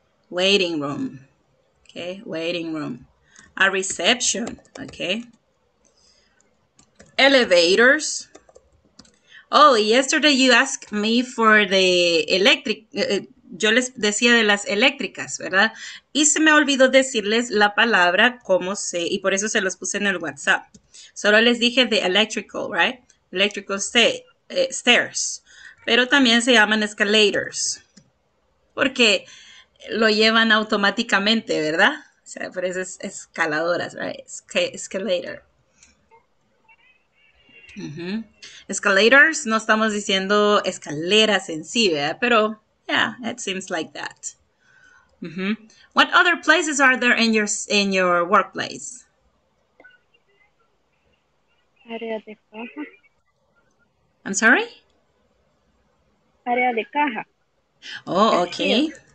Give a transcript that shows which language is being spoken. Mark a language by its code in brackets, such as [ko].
[en] Waiting room. Okay, waiting room. A reception. Okay. Elevators. Oh, yesterday you asked me for the electric. [es] Yo les decía de las eléctricas, ¿verdad? Y se me olvidó decirles la palabra cómo se. Y por eso se los puse en el WhatsApp. Solo les dije [en] the electrical, right? Electrical stairs. [es] Pero también se llaman escalators. Porque lo llevan automáticamente, ¿verdad? O sea, por eso es escaladoras, ¿verdad? Escalator. Escalators, no estamos diciendo escaleras en sí, ¿verdad? [en] Pero, it seems like that. What other places are there in your workplace? [es] Área de caja. [en] I'm sorry? [es] Área de caja. Oh, [en] Cashier.